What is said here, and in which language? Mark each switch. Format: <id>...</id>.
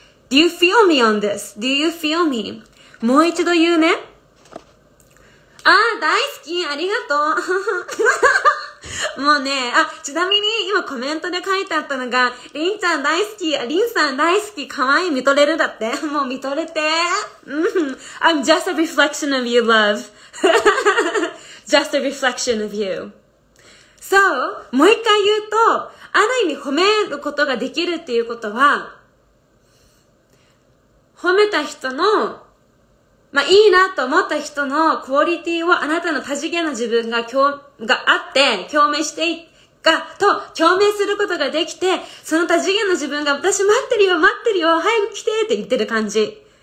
<en>Do you feel me on this? Do you feel me?</en> <ja>もう一度言うね。あー、大好き、ありがとう。もうね、あ、ちなみに今コメントで書いてあったのが、りんちゃん大好き、りんさん大好き、かわいい、見とれるだって。もう見とれて。</ja> <en>I'm just a reflection of you, love. Just a reflection of you.</en> <ja>So, もう一回言うと、ある意味褒めることができるっていうことは、褒めた人の、まあ、いいなと思った人のクオリティをあなたの多次元の自分が共鳴することができて、その多次元の自分が、私待ってるよ、待ってるよ、早く来てって言ってる感じ。</ja>